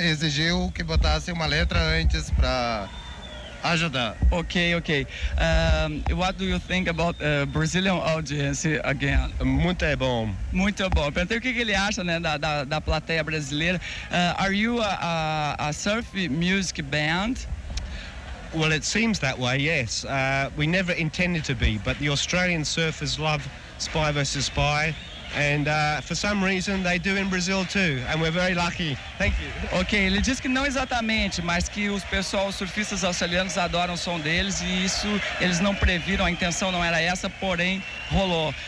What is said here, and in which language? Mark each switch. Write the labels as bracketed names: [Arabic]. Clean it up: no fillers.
[Portuguese] exigiu que botassem uma letra antes para ajudar. Ok, ok. [English] What do you think about Brazilian audience again? [Portuguese] Muito bom. Perguntei o que ele acha, né, da plateia brasileira. [English] Are you a surf music band? Well, it seems that way, yes. We never intended to be, but the Australian surfers love Spy vs Spy, and for some reason they do in Brazil too, and we're very lucky. Thank you. [Portuguese] Ok, ele diz que não exatamente, mas que os pessoal, os surfistas australianos adoram o som deles, e isso eles não previram, a intenção não era essa, porém rolou.